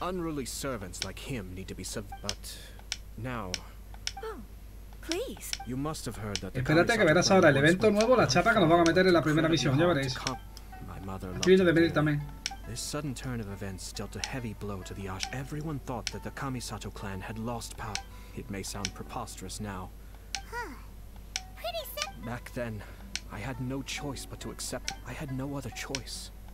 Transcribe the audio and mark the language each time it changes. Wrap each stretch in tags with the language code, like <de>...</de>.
<en>Unruly servants like him need to be sub- But... Now... Oh, please. You must have heard that...</en> <es>Espérate que verás ahora el evento nuevo, la chapa que nos van a meter en la primera misión, ya veréis.</es> <en>My mother loved me.</en> <es>También.</es> <en>This sudden turn of events dealt a heavy blow to the Ash. Everyone thought that the Kamisato clan had lost power. It may sound preposterous now. Huh. Pretty simple. Back then, I had no choice but to accept. I had no other choice.</en>